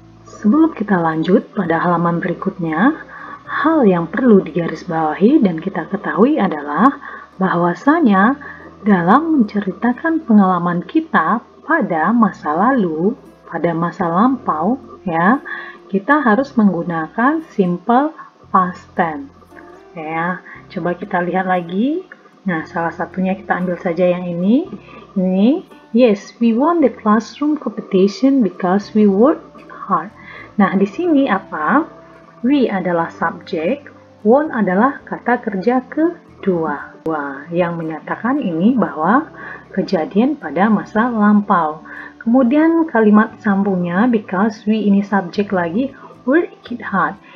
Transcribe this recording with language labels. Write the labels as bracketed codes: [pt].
[id] Sebelum kita lanjut pada halaman berikutnya, hal yang perlu digarisbawahi dan kita ketahui adalah bahwasanya dalam menceritakan pengalaman kita pada masa lalu, pada masa lampau, ya, kita harus menggunakan simple past tense. Ya, coba kita lihat lagi. Nah, salah satunya kita ambil saja yang ini. [en] Ini, yes, we won the classroom competition because we worked hard. [id] Nah, di sini apa? We adalah subjek, won adalah kata kerja kedua. Wah, yang menyatakan ini bahwa kejadian pada masa lampau. Kemudian kalimat sambungnya, because we ini subjek lagi, [en] worked hard.